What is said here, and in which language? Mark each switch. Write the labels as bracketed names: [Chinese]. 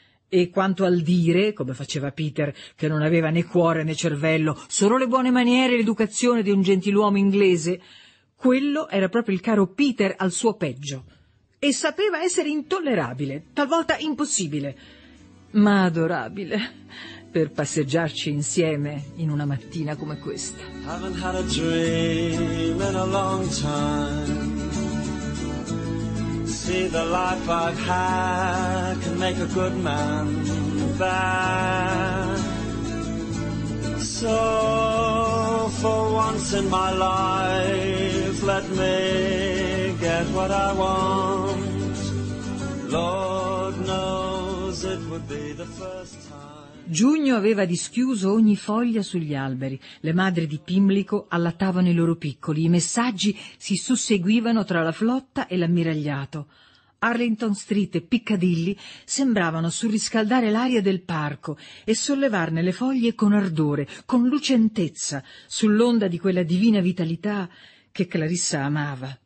[Italian] E quanto al dire, come faceva Peter, che non aveva né cuore né cervello, solo le buone maniere e l'educazione di un gentiluomo inglese, quello era proprio il caro Peter al suo peggio, e sapeva essere intollerabile, talvolta impossibile, ma adorabile, per passeggiarci insieme in una mattina come questa. [English] Haven't had a dream in a long time. See, the life I've had can make a good man bad. So for once in my life, let me get what I want. Lord knows it. would be the first time. [Italian] Giugno aveva dischiuso ogni foglia sugli alberi. Le madri di Pimlico allattavano i loro piccoli. I messaggi si susseguivano tra la flotta e l'ammiragliato. Arlington Street e Piccadilly sembravano surriscaldare l'aria del parco e sollevarne le foglie con ardore, con lucentezza, sull'onda di quella divina vitalità che Clarissa amava.